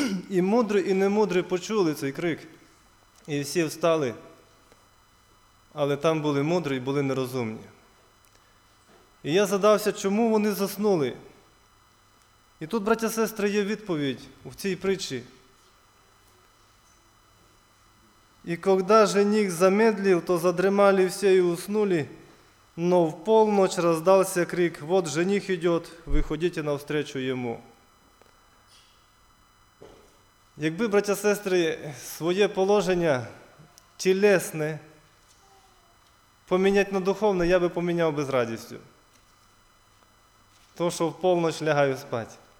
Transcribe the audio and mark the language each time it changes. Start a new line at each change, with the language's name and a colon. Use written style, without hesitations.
Ukrainian: І мудрі, і немудрі почули цей крик, і всі встали, але там були мудрі і були нерозумні. І я задався, чому вони заснули? І тут, браття, сестри, є відповідь в цій притчі.
Russian: «І когда жених замедлив, то задремали всі і уснули, но в полночь раздался крик, вот жених идет, выходите навстречу ему».
Ukrainian: Якби, браття, сестри, своє положення тілесне поміняти на духовне, я би поміняв би з радістю. То, що в полночь лягаю спати.